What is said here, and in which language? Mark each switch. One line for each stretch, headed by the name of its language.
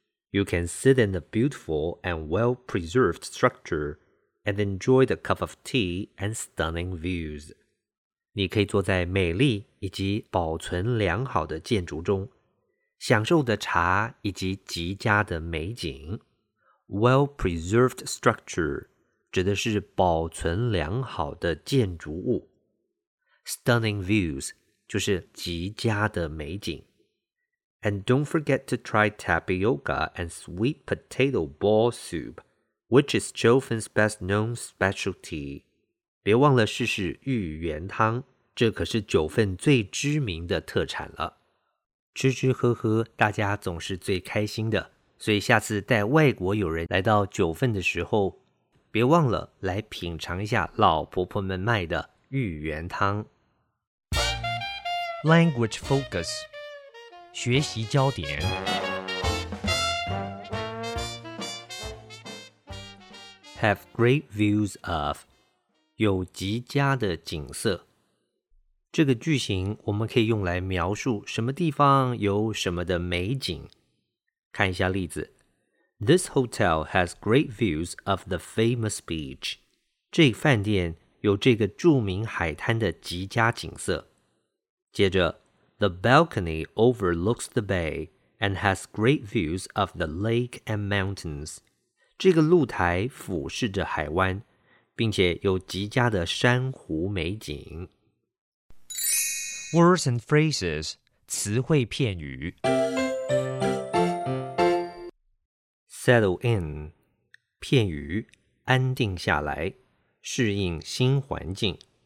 English: You can sit in a beautiful and well-preserved structure and enjoy the cup of tea and stunning views.
Chinese: 你可以坐在美丽以及保存良好的建筑中，享受的茶以及极佳的美景。
English: Well-preserved structure
Chinese: 指的是保存良好的建筑物。
English: Stunning views
Chinese: 就是极佳的美景。
English: And don't forget to try tapioca and sweet potato ball soup, which is Jiufen's best known specialty.
Chinese: 别忘了试试芋圆汤，这可是九份最知名的特产了。吃吃喝喝，大家总是最开心的，所以下次带外国友人来到九份的时候，别忘了来品尝一下老婆婆们卖的芋圆汤。
English: Language Focus
Chinese: 学习焦点。
English: Have great views of
Chinese: 有极佳的景色。这个句型我们可以用来描述什么地方有什么的美景。看一下例子。
English: This hotel has great views of the famous beach.
Chinese: 这饭店有这个著名海滩的极佳景色。接着
English: The balcony overlooks the bay and has great views of the lake and mountains.
Chinese: 这个露台俯视着海湾，并且有极佳的珊瑚美景。
English: Words and phrases,
Chinese: 词汇片语。
English: Settle in,
Chinese: 片语，安定下来，适应新环境。